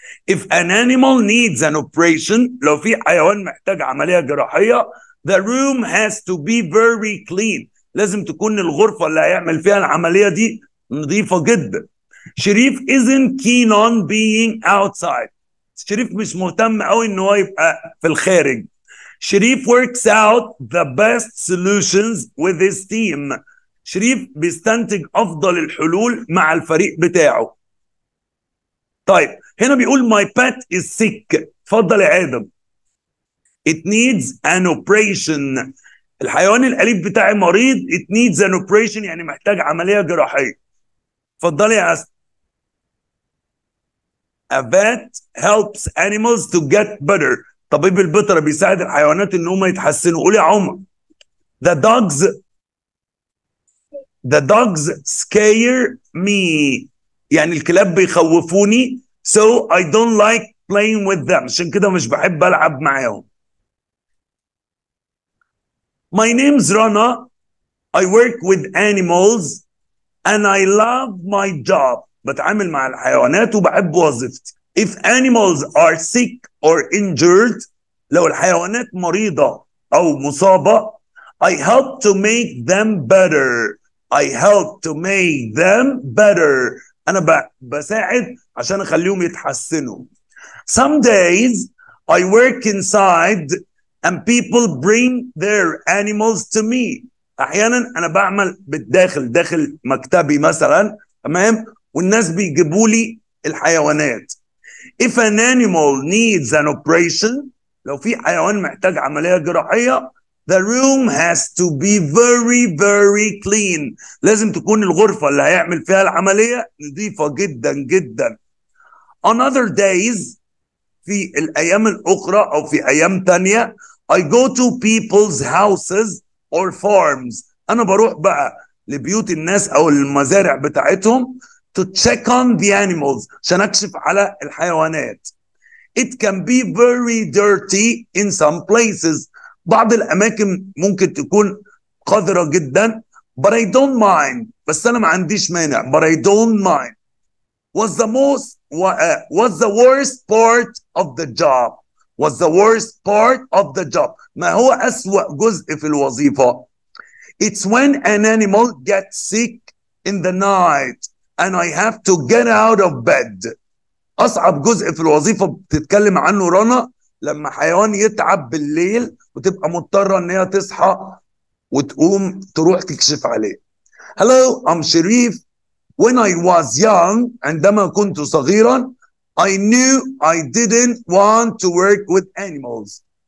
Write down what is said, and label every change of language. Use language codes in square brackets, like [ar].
[en] if an animal needs an operation، [ar] لو في حيوان محتاج عملية جراحية، [en] the room has to be very clean، [ar] لازم تكون الغرفة اللي هيعمل فيها العملية دي نظيفة جدا. [en] شريف isn't keen on being outside. [ar] شريف مش مهتم قوي ان هو يبقى في الخارج. [en] شريف works out the best solutions with his team. [ar] شريف بيستنتج افضل الحلول مع الفريق بتاعه. طيب هنا بيقول [en] my pet is sick. [ar] اتفضل يا ادم. [en] it needs an operation. [ar] الحيوان الأليف بتاعي مريض. [en] it needs an operation [ar] يعني محتاج عملية جراحية. اتفضلي يا أسد. [en] a vet helps animals to get better. [ar] طبيب البتر بيساعد الحيوانات إن هم يتحسنوا. قولي يا عمر. [en] the dogs scare me [ar] يعني الكلاب بيخوفوني. [en] so I don't like playing with them. [ar] عشان كده مش بحب ألعب معاهم. [en] My name's Rana. I work with animals and I love my job. [ar] بتعامل مع الحيوانات وبحب وظيفتي. [en] If animals are sick or injured, [ar] لو الحيوانات مريضة أو مصابة, [en] I help to make them better. I help to make them better. [ar] أنا بساعد عشان أخليهم يتحسنوا. [en] Some days I work inside and people bring their animals to me. [ar] احيانا انا بعمل بالداخل داخل مكتبي مثلا تمام والناس بيجيبوا لي الحيوانات. [en] if an animal needs an operation [ar] لو في حيوان محتاج عمليه جراحيه [en] the room has to be very very clean [ar] لازم تكون الغرفه اللي هيعمل فيها العمليه نظيفه جدا جدا. [en] on other days [ar] في الايام الاخرى او في ايام ثانيه [en] I go to people's houses or farms. [ar] أنا بروح بقى لبيوت الناس أو المزارع بتاعتهم [en] to check on the animals [ar] عشان أكشف على الحيوانات. [en] It can be very dirty in some places. [ar] بعض الأماكن ممكن تكون قذرة جدا. [en] But I don't mind. [ar] بس أنا ما عنديش مانع. [en] But I don't mind. What's the worst part of the job? was the worst part of the job. [ar] ما هو أسوأ جزء في الوظيفة. [en] It's when an animal gets sick in the night and I have to get out of bed. [ar] أصعب جزء في الوظيفة بتتكلم عنه رنا لما حيوان يتعب بالليل وتبقى مضطرة أنها تصحى وتقوم تروح تكشف عليه. [en] Hello, I'm Sharif. When I was young, [ar] عندما كنت صغيرا, [en] I knew I didn't want to work with animals.